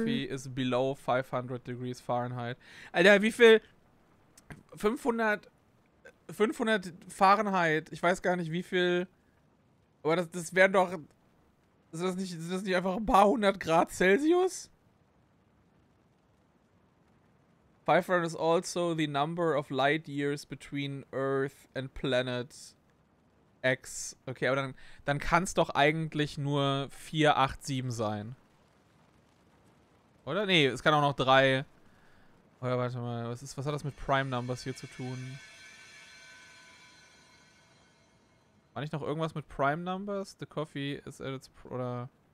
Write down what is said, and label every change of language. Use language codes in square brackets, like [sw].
[en] Coffee is below 500 degrees Fahrenheit. [de] Alter, wie viel? 500 Fahrenheit. Ich weiß gar nicht, wie viel. Aber das wären doch. Sind das nicht einfach ein paar hundert Grad Celsius? [en] 500 is also the number of light years between Earth and planet X. [de] Okay, aber dann kann es doch eigentlich nur 4, 8, 7 sein. Oder? Nee, es kann auch noch 3. Oder warte mal, was hat das mit Prime Numbers hier zu tun? War nicht noch irgendwas mit Prime Numbers? [en] The coffee is at its... [de] Oder...